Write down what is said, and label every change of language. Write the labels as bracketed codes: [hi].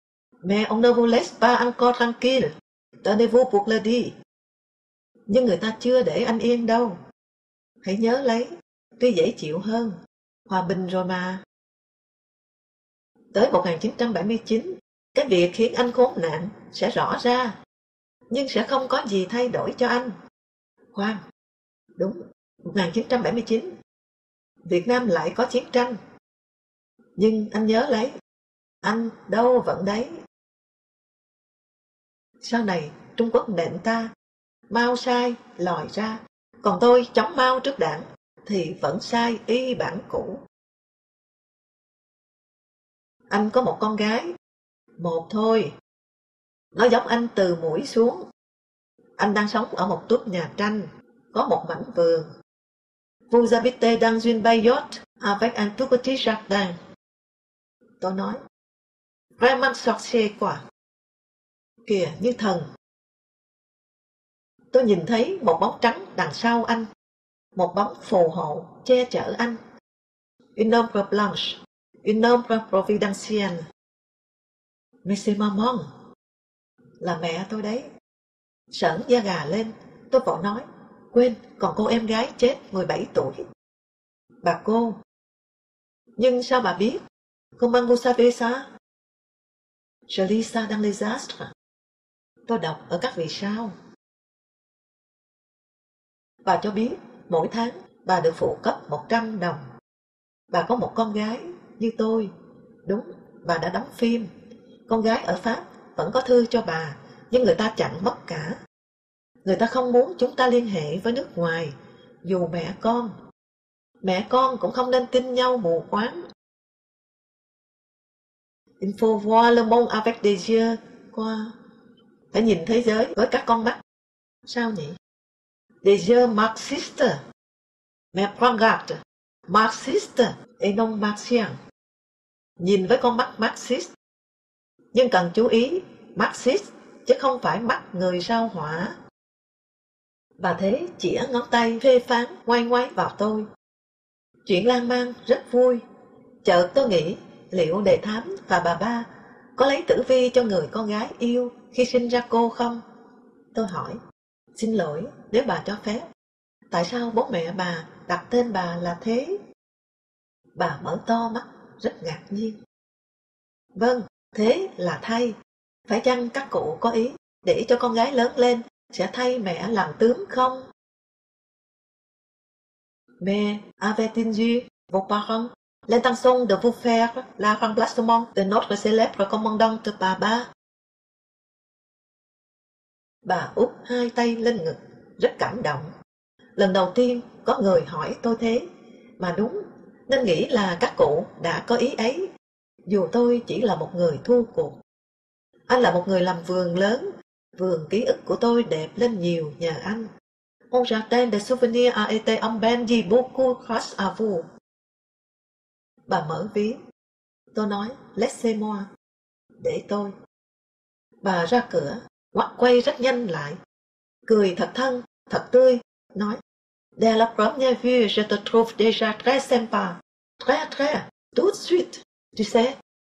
[fr] Mais on ne vous laisse pas encore tranquille. Tenez-vous pour le dit. [vi] Nhưng người ta chưa để anh yên đâu. Hãy nhớ lấy, tuy dễ chịu hơn. Hòa bình rồi mà. Tới 1979, cái việc khiến anh khốn nạn sẽ rõ ra, nhưng sẽ không có gì thay đổi cho anh. Khoan, đúng, 1979, Việt Nam lại có chiến tranh. Nhưng anh nhớ lấy, anh đâu vẫn đấy. Sau này, Trung Quốc nện ta, Mao sai, lòi ra, còn tôi chống Mao trước đảng, thì vẫn sai y bản cũ. Anh có một con gái, một thôi, nó giống anh từ mũi xuống. Anh đang sống ở một túp nhà tranh, có một mảnh vườn. [fr] Vous habitez dans une baillotte avec un tout petit jardin. [vi] Tôi nói, [fr] vraiment sorcier [vi] quá. Kìa như thần. Tôi nhìn thấy một bóng trắng đằng sau anh, một bóng phù hộ che chở anh. [fr] Une ombre blanche, une ombre providentielle. Mais c'est maman. [vi] Là mẹ tôi đấy. Sởn da gà lên, tôi vội nói, quên, còn cô em gái chết 17 tuổi. Bà cô, nhưng sao bà biết? [fr] Comment vous savez ça? Je lis ça dans les astres. [vi] Tôi đọc ở các vì sao. Bà cho biết, mỗi tháng bà được phụ cấp 100 đồng. Bà có một con gái như tôi. Đúng, bà đã đóng phim. Con gái ở Pháp vẫn có thư cho bà, nhưng người ta chặn mất cả. Người ta không muốn chúng ta liên hệ với nước ngoài, dù mẹ con. Mẹ con cũng không nên tin nhau mù quáng. [fr] Il faut voir le monde avec des yeux quoi? [vi] Phải nhìn thế giới với các con mắt. Sao nhỉ? [fr] Des yeux marxistes. Mais prends garde. Marxiste et non marxien. [vi] Nhìn với con mắt Marxist. Nhưng cần chú ý, Marxist chứ không phải mắt người sao hỏa. Và thế chỉa ngón tay phê phán ngoay ngoáy vào tôi. Chuyện lan man rất vui. Chợt tôi nghĩ, liệu đề thám và bà ba có lấy tử vi cho người con gái yêu khi sinh ra cô không? Tôi hỏi, xin lỗi nếu bà cho phép, tại sao bố mẹ bà đặt tên bà là thế? Bà mở to mắt, rất ngạc nhiên. Vâng, thế là thay. Phải chăng các cụ có ý để cho con gái lớn lên sẽ thay mẹ làm tướng không? [fr] Mais avait-il vos parents l'intention de vous faire la remplacement de notre célèbre commandante bà ba? [vi] Bà úp hai tay lên ngực, rất cảm động. Lần đầu tiên có người hỏi tôi thế, mà đúng, nên nghĩ là các cụ đã có ý ấy, dù tôi chỉ là một người thua cuộc. Anh là một người làm vườn lớn, vườn ký ức của tôi đẹp lên nhiều nhờ anh. [fr] Mon jardin de souvenirs a été embelli beaucoup grâce à vous. [vi] Bà mở ví, tôi nói, [fr] laissez-moi, [vi] để tôi. Bà ra cửa, ngoắt quay rất nhanh lại, cười thật thân, thật tươi, nói, [fr] dès la première vue, je te trouve déjà très sympa, très très, tout de suite, tu sais.